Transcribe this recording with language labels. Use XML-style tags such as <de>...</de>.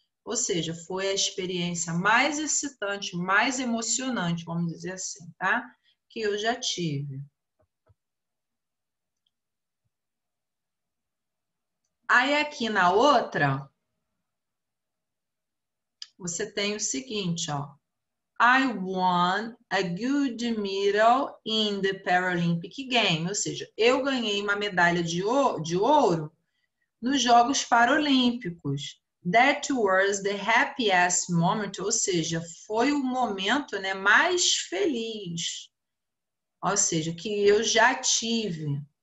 <pt>Ou seja, foi a experiência mais excitante, mais emocionante, vamos dizer assim, tá? Que eu já tive. Aí aqui na outra, você tem o seguinte, ó.</pt> <en>I won a gold medal in the Paralympic Game.</en> <pt>Ou seja, eu ganhei uma medalha de ouro nos Jogos Paralímpicos.</pt> <en>That was the happiest moment.</en> <pt>Ou seja, foi o momento, né, mais feliz. Ou seja, que eu já tive.</pt>